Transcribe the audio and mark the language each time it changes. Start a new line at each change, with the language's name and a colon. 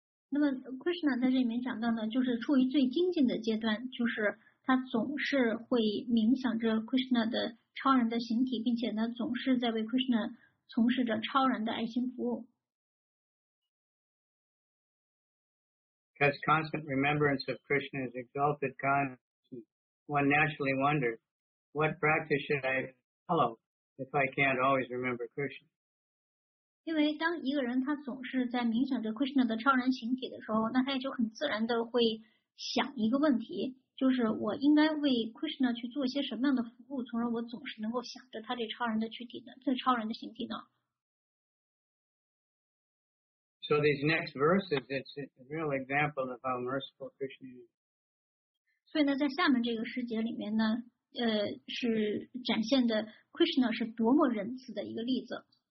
Chinese: 那么 Krishna 在这里面讲到呢，就是处于最精进的阶段，就是他总是会冥想着 Krishna 的超然的形体，并且呢总是在为 Krishna 从事着超然的爱心服务。
English: Because constant remembrance of Krishna's exalted consciousness. One naturally wonders, what practice should I follow if I can't always remember Krishna?
Chinese: 因为当一个人他总是在冥想着 Krishna 的超然形体的时候，那他也就很自然的会想一个问题，就是我应该为 Krishna 去做一些什么样的服务，从而我总是能够想着他这超人的躯体呢，这超人的形体呢。
English: So these next verses, it's a real example of how merciful Krishna is.
Chinese: 所以呢，在下面这个诗节里面呢，是展现的 Krishna 是多么仁慈的一个例子。